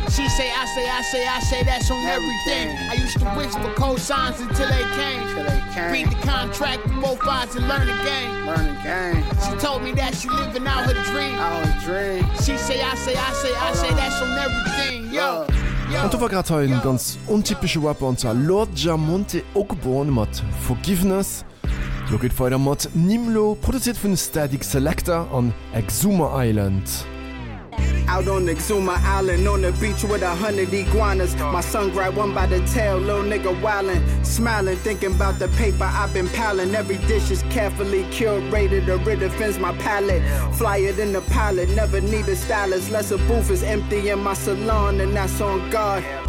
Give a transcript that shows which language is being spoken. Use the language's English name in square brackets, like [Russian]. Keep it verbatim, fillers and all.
[English] She say, I say, I say, I say, that's on everything. everything. I used to wish for cosigns until they came. Till they came. Read the contract with both eyes and learn the game. Learn the game. She told me that she living out her dream. Out her dream. She say, I say, I say, I say, that's on everything. Yo. [German] Und da war grad ein ganz untypischer Rapper, und zwar Lord Jamonte Ogbon mit Forgiveness. Da geht weiter mit Nimlo, produziert von Static Selector an Exuma Island. [English] Out on Exuma Island, on the beach with a hundred iguanas. My son grabbed one by the tail, little nigga wildin'. Smiling, thinking about the paper I've been piling. Every dish is carefully curated, or it offends my palate. Flyer than the pilot, never need a stylist. Less a booth is empty in my salon, and that's on guard.